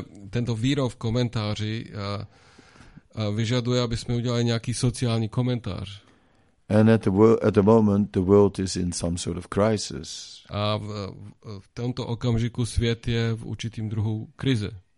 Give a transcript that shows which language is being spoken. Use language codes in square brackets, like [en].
[cs] Tento výrov v komentáři vyžaduje, aby jsme udělali nějaký sociální komentář. [en] And at the moment the world is in some sort of crisis. [cs] A v tomto okamžiku svět je v určitým druhu krize.